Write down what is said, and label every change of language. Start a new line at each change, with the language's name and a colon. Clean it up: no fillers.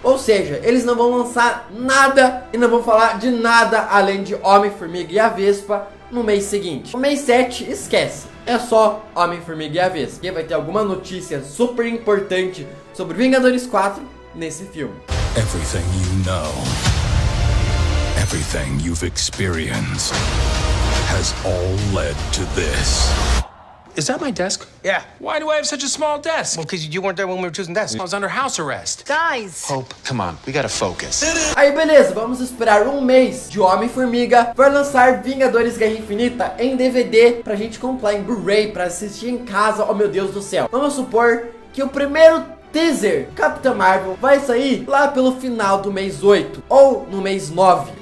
Portuguese: Ou seja, eles não vão lançar nada e não vão falar de nada além de Homem-Formiga e a Vespa no mês seguinte. No mês 7, esquece. É só Homem-Formiga e a Vespa. E vai ter alguma notícia super importante sobre Vingadores 4 nesse filme.
English: Everything you know, everything you've experienced has all led to this. Is that my desk? Yeah. Why do I have such a small desk? Well, because you weren't there when we were choosing desks. I was under house arrest. Guys! Hope, come on, we gotta focus.
Portuguese: Aí, beleza, vamos esperar um mês de Homem-Formiga para lançar Vingadores Guerra Infinita em DVD pra gente comprar em Blu-ray pra assistir em casa. Oh, meu Deus do céu. Vamos supor que o primeiro teaser Capitã Marvel vai sair lá pelo final do mês 8 ou no mês 9.